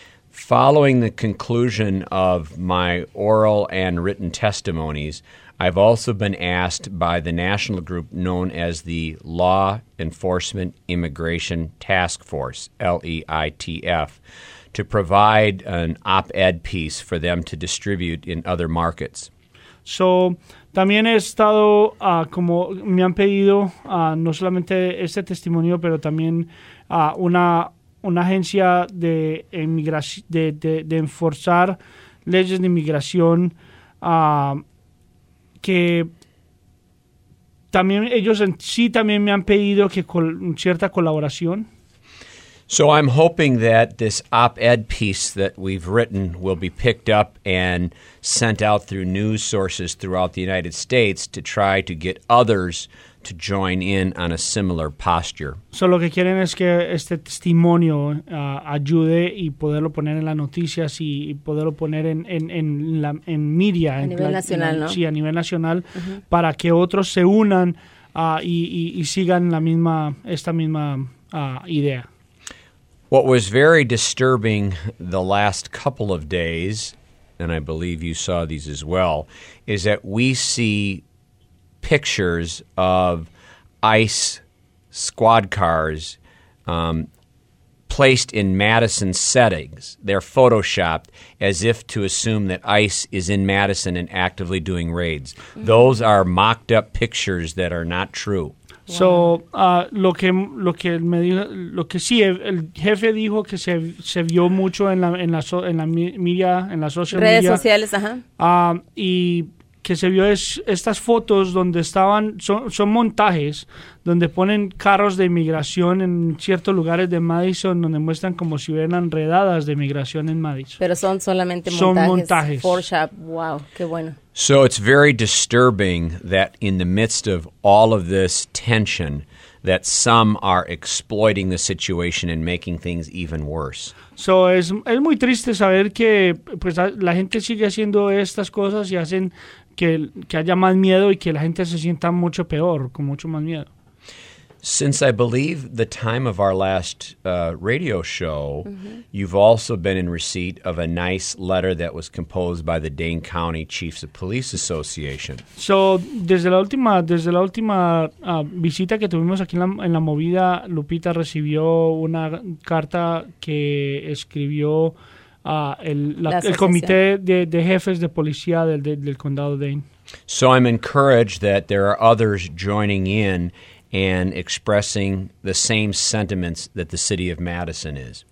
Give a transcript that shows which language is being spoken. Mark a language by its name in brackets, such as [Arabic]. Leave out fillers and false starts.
[English] Following the conclusion of my oral and written testimonies, I've also been asked by the national group known as the Law Enforcement Immigration Task Force, LEITF, to provide an op-ed piece for them to distribute in other markets. So, [Spanish] También he estado como me han pedido no solamente este testimonio, pero también una agencia de inmigración de enforzar leyes de inmigración que también ellos en sí también me han pedido que con cierta colaboración. [English] So I'm hoping that this op-ed piece that we've written will be picked up and sent out through news sources throughout the United States to try to get others to join in on a similar posture. [Spanish] So lo que quieren es que este testimonio ayude y poderlo poner en las noticias y poderlo poner en media. A nivel nacional, ¿no? Sí, a nivel nacional, para que otros se unan y sigan la misma esta misma idea. [English] What was very disturbing the last couple of days, and I believe you saw these as well, is that we see pictures of ICE squad cars placed in Madison settings. They're photoshopped as if to assume that ICE is in Madison and actively doing raids. Mm-hmm. Those are mocked up pictures that are not true. Wow. [Spanish] So lo que me dijo, lo que sí el jefe dijo que se vio mucho en la media, en las social redes [English] media, [Spanish] sociales, ajá. Y que se vio estas fotos donde estaban son montajes donde ponen carros de inmigración en ciertos lugares de Madison donde muestran como si hubieran redadas de inmigración en Madison. Pero son solamente montajes. Son montajes. Photoshop. Wow, qué bueno. [English] So it's very disturbing that in the midst of all of this tension that some are exploiting the situation and making things even worse. [Spanish] So es muy triste saber que pues la gente sigue haciendo estas cosas y hacen que haya más miedo y que la gente se sienta mucho peor, con mucho más miedo. [English] Since I believe the time of our last radio show, you've also been in receipt of a nice letter that was composed by the Dane County Chiefs of Police Association. [Spanish] So, desde la última visita que tuvimos aquí en la movida, Lupita recibió una carta que escribió el comité de jefes de policía del condado de Dane. [English] So I'm encouraged that there are others joining in and expressing the same sentiments that the city of Madison is.